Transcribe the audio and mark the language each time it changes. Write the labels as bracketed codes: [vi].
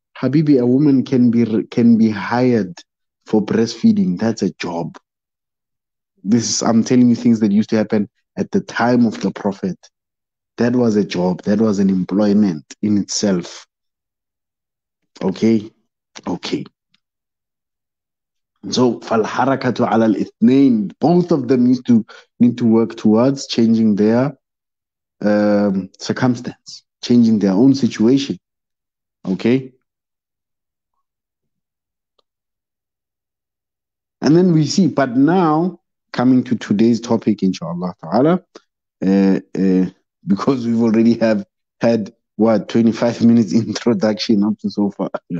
[en] Habibi, a woman can be hired for breastfeeding. That's a job. I'm telling you things that used to happen at the time of the Prophet. That was a job. That was an employment in itself. Okay. [ar] So, فَالْحَرَكَةُ عَلَى الْإِثْنَيْنِ. [en] Both of them need to work towards changing their circumstance, changing their own situation. Okay? And then we see, but now, coming to today's topic, inshallah ta'ala, because we've already have had, 25 minutes introduction up to so far.